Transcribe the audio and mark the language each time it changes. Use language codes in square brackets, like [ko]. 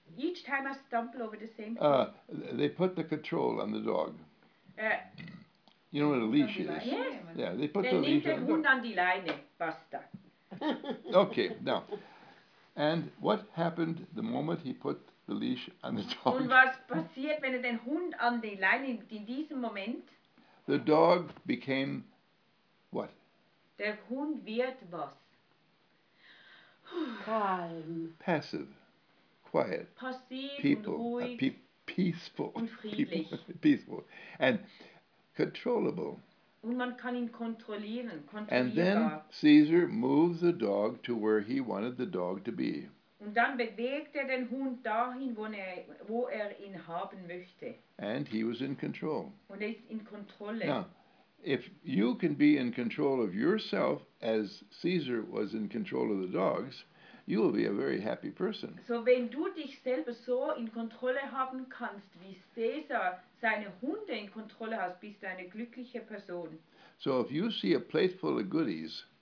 [en] Each time I stumble over the same thing. They put the control on the dog. You know what a leash is? Yes. Yeah, they put the leash on the dog. [de] Hund an die Leine. Basta. [en] Okay, now. And what happened the moment he put the leash on the dog? [de] Und was passiert, wenn er den Hund an die Leine in diesem Moment? [en] The dog became what? [de] Der Hund wird was? [en] Calm. Passive, quiet, [de] passiv [en] people, [de] und ruhig, [en] peaceful, [de] und friedlich. [en] Peaceful, and controllable. [de] Und man kann ihn kontrollieren, kontrollierbar. [en] And then Caesar moves the dog to where he wanted the dog to be. [de] Und dann bewegt er den Hund dahin, wo er ihn haben möchte. [en] And he was in control. [de] Und ist in Kontrolle. [en] Now, if you can be in control of yourself, as Caesar was in control of the dogs, you will be a very happy person. [de] So wenn du dich selber so in Kontrolle haben kannst, wie Caesar seine Hunde in Kontrolle hat, bist du eine glückliche Person. [en] So if you see a plate full of goodies,